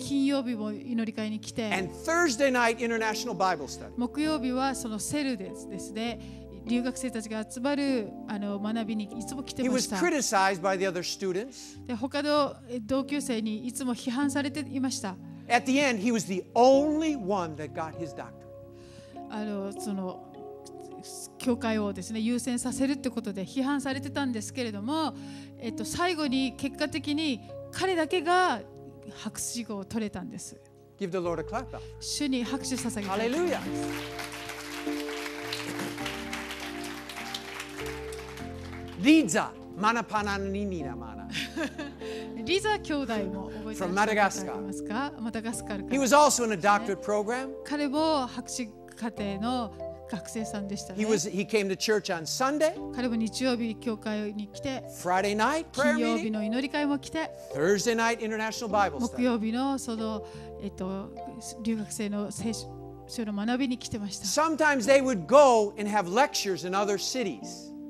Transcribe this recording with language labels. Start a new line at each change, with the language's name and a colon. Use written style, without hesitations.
Japanese: 金曜日も祈り会に来て、
English: And Thursday night international Bible study.
Japanese: 木曜日はそのセルですね。留学生たちが集まるあの学びにいつも来てました。
English: He was criticized by the other students.
Japanese: で他の同級生にいつも批判されていました。
English: At the end, he was the only one that got his doctorate.
Japanese: あのその教会をですね優先させるってことで批判されてたんですけれども、最後に結果的に彼だけが博士号を取れたんです。
English: Give the Lord a clap.
Japanese: 主に拍手捧げて。
English: Hallelujah.
Japanese: リザ、マナパナニニラマナ。リザ兄弟も覚えていますか？マダガスカルから。
English: He was also in a doctorate program.
Japanese: 彼も博士課程の学生さんでしたね。
English: He came to church on Sunday.
Japanese: 彼も日曜日教会に来て。
English: Friday night prayer meeting.
Japanese: 金曜日の祈り会も来て。
English: Thursday night international Bible study.
Japanese: 木曜日のその留学生の聖書の学びに来てました。
English: Sometimes they would go and have lectures in other cities.